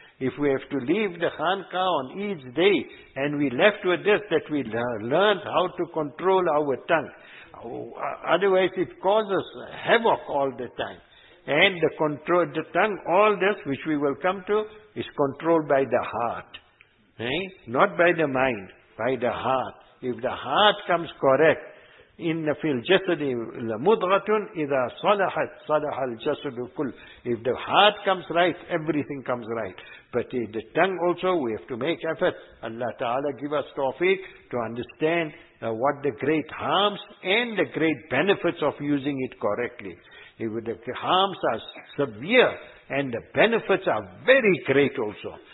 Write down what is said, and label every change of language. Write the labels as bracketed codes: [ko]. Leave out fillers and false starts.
[en] If we have to leave the khanqah on each day, and we left with this, that we learned how to control our tongue. Otherwise, it causes havoc all the time. And the control, the tongue, all this, which we will come to, is controlled by the heart. Not by the mind, by the heart. If the heart comes correct, [ar] إِنَّ فِي الْجَسَدِ لَمُضْغَةٌ إِذَا صَلَحَتْ صَلَحَ الْجَسَدُ كُلُّ. [en] If the heart comes right, everything comes right. But if the tongue also, we have to make efforts. Allah Ta'ala give us tawfiq to understand what the great harms and the great benefits of using it correctly. If the harms are severe and the benefits are very great also.